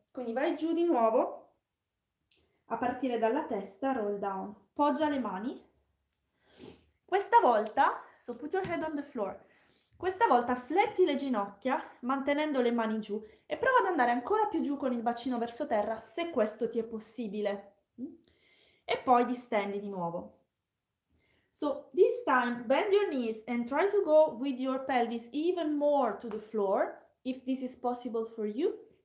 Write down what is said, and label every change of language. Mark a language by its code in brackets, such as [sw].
[it] Quindi vai giù di nuovo, a partire dalla testa, [en] roll down, [it] poggia le mani. Questa volta, [en] so put your head on the floor. [it] Questa volta fletti le ginocchia mantenendo le mani giù e prova ad andare ancora più giù con il bacino verso terra se questo ti è possibile. E poi distendi di nuovo. [en] So this time bend your knees and try to go with your pelvis even more to the floor if this is possible for you.